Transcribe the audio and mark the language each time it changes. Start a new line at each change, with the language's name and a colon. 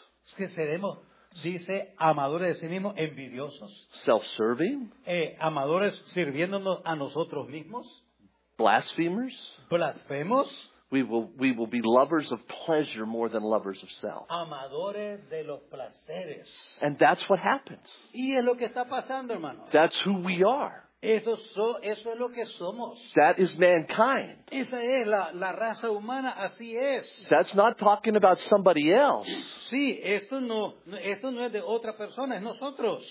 Spanish: Es que seremos, dice, amadores de sí mismos, envidiosos.
English: Self-serving.
Spanish: Amadores sirviéndonos a nosotros mismos.
English: Blasphemers.
Spanish: Blasfemos.
English: We will be lovers of pleasure more than lovers of self.
Spanish: Amadores de los placeres.
English: And that's what happens.
Spanish: Y es lo que está pasando, hermanos.
English: That's who we are.
Spanish: Eso es lo que somos.
English: That is mankind.
Spanish: Esa es la raza humana, así es.
English: That's not talking about somebody else.
Spanish: Sí, esto no es de otra persona, es nosotros.